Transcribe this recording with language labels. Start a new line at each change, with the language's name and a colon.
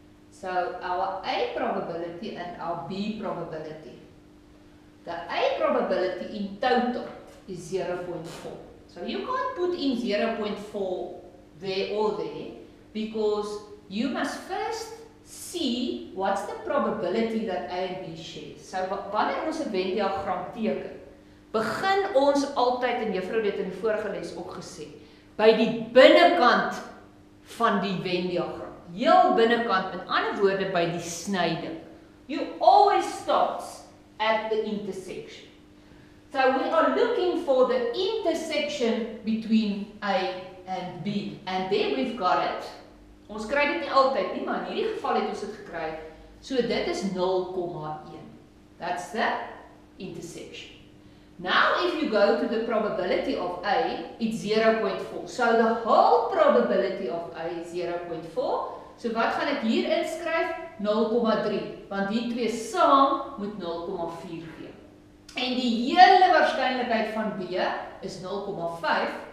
English: So our A probability and our B probability. The A probability in total is 0.4. So you can't put in 0.4 there or there, because you must first see what's the probability that A and B share.
Afrikaans: So wanneer ons 'n Venn diagram teken, begin ons altyd, en juffrou het in die vorige les ook gesê, by die binnekant van die Venn diagram. Heel binnekant, in ander woorde, by die snyding.
English: You always start at the intersection. So we are looking for the intersection between A and B. And there we've got it.
Afrikaans: Ons kry dit nie altyd nie, maar in hierdie geval het ons dit gekry. So dit is 0,1.
English: That's the intersection. Now if you go to the probability of A, it's 0.4. So the whole probability of A is 0.4.
Afrikaans: So wat gaan ek hier inskryf? 0,3. Want die twee saam moet 0,4 gee. En die hele waarskynlikheid van B is 0,5.